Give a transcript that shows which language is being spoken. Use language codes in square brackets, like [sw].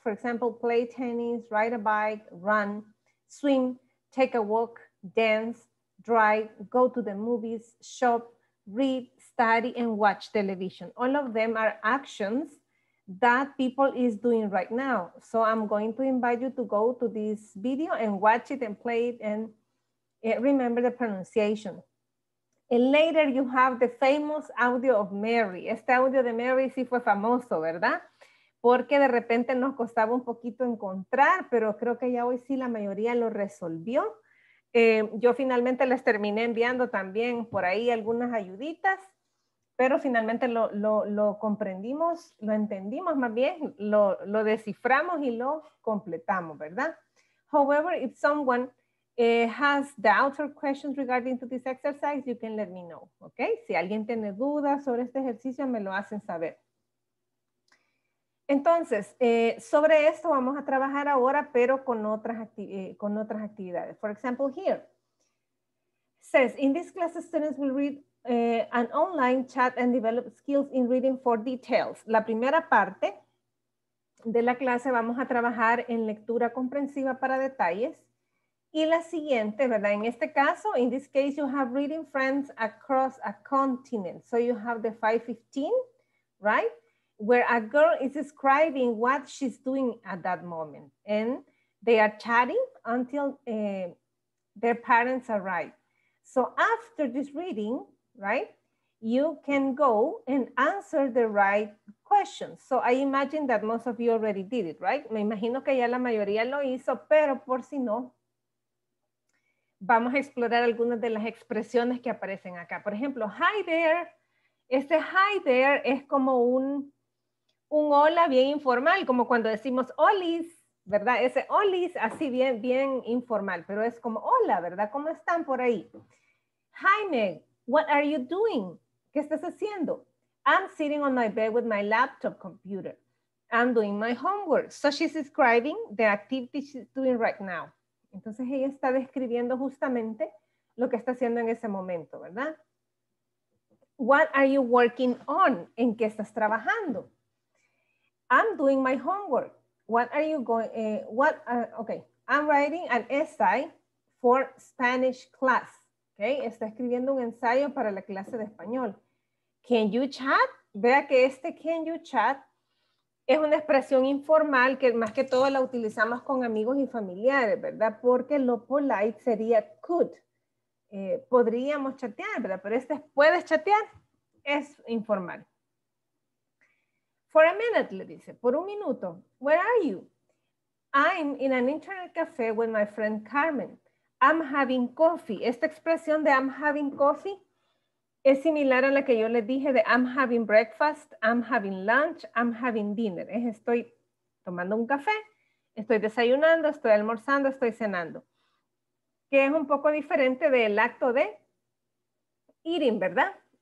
[en] For example, play tennis, ride a bike, run, swim, take a walk, dance, drive, go to the movies, shop, read, study, and watch television. All of them are actions that people is doing right now. So I'm going to invite you to go to this video and watch it and play it and remember the pronunciation. And later you have the famous audio of Mary. [es] Este audio de Mary sí fue famoso, ¿verdad? Porque de repente nos costaba un poquito encontrar, pero creo que ya hoy sí la mayoría lo resolvió. Yo finalmente les terminé enviando también por ahí algunas ayuditas, pero finalmente lo comprendimos, lo entendimos más bien, lo desciframos y lo completamos, ¿verdad? [en] However, if someone has doubts or questions regarding to this exercise, you can let me know, ¿ok? [es] Si alguien tiene dudas sobre este ejercicio, me lo hacen saber. Entonces, sobre esto vamos a trabajar ahora, pero con otras actividades. [en] For example, here says, in this class, the students will read an online chat and develop skills in reading for details. [es] La primera parte de la clase vamos a trabajar en lectura comprensiva para detalles. Y la siguiente, ¿verdad? En este caso, [en] in this case, you have reading friends across a continent. So you have the 515, right? Where a girl is describing what she's doing at that moment. And they are chatting until their parents arrive. So after this reading, right, you can go and answer the right questions. So I imagine that most of you already did it, right? [es] Me imagino que ya la mayoría lo hizo, pero por si no, vamos a explorar algunas de las expresiones que aparecen acá. Por ejemplo, [en] hi there. [es] Este hi there es como un hola bien informal, como cuando decimos olis, ¿verdad? Ese olis, así bien, bien informal, pero es como hola, ¿verdad? ¿Cómo están por ahí? [en] Hi Meg, what are you doing? [es] ¿Qué estás haciendo? [en] I'm sitting on my bed with my laptop computer. I'm doing my homework. So she's describing the activity she's doing right now. [es] Entonces ella está describiendo justamente lo que está haciendo en ese momento, ¿verdad? [en] What are you working on? [es] ¿En qué estás trabajando? [en] I'm doing my homework. What are you going, okay. I'm writing an essay for Spanish class. [es] Okay, está escribiendo un ensayo para la clase de español. [en] Can you chat? [es] Vea que este [en] can you chat [es] es una expresión informal que más que todo la utilizamos con amigos y familiares, ¿verdad? Porque lo polite sería could. Podríamos chatear, ¿verdad? Pero este puedes chatear, es informal. [en] For a minute, [es] le dice, por un minuto. [en] Where are you? I'm in an internet cafe with my friend Carmen. I'm having coffee. [es] Esta expresión de [en] I'm having coffee [es] es similar a la que yo les dije de [en] I'm having breakfast, I'm having lunch, I'm having dinner. [es] Es estoy tomando un café, estoy desayunando, estoy almorzando, estoy cenando. Que es un poco diferente del acto de eating, ¿verdad?